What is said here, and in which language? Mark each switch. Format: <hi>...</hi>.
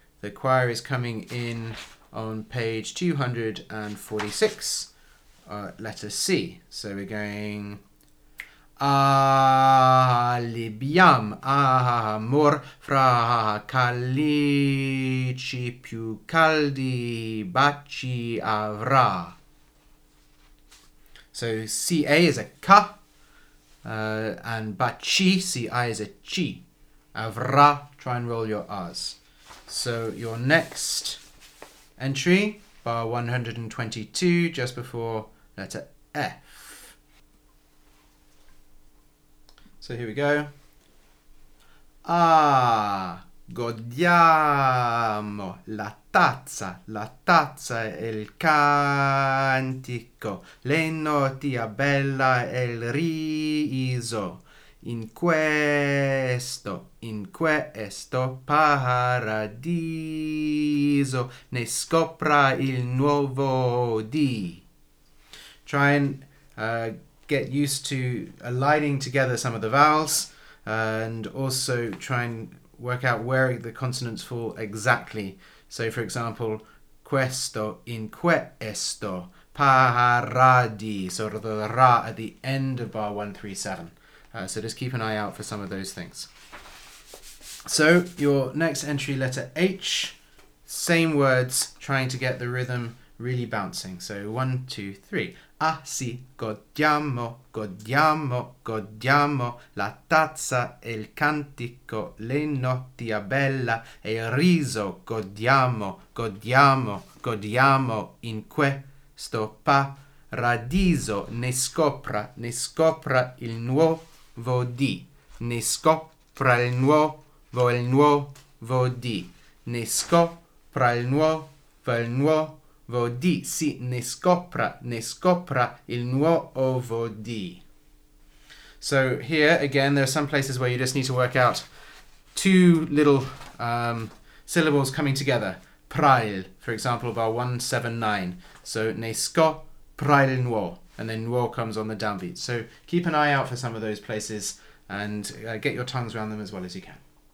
<en>The choir is coming in on page 246, letter C. So we're going,</en> <it>Alibiam amor fra calici più caldi baci avrà.</it> <en>So CA is a ka, and baci, CI is a chi. Avrà, try and roll your R's. So your next entry, bar 122, just before letter F. So here we go.</en> <it>Ah, godiamo la tazza e il cantico, le notti a bella e il riso. In questo paradiso ne scopra il nuovo dì.</it> <en>Try and get used to aligning together some of the vowels and also try and work out where the consonants fall exactly. So for example, questo, in questo, paradì. So the ra at the end of bar 137. So just keep an eye out for some of those things. So your next entry, letter H, same words, trying to get the rhythm really bouncing. So one, two, three.</en> <it>Ah sì, godiamo, godiamo, godiamo la tazza e il cantico, le notti a bella e il riso. Godiamo, godiamo, godiamo in questo paradiso. Ne scopra il nuovo. Vodi, ne scopra il nuovo, il nuovo di, ne scopra il nuovo, il nuovo di, sì, ne scopra il nuovo di.</it> <en>So here, again, there are some places where you just need to work out two little syllables coming together. Prail, for example, bar 179. So ne scopra il nuovo. And then nuovo comes on the downbeat. So keep an eye out for some of those places and get your tongues around them as well as you can.</en>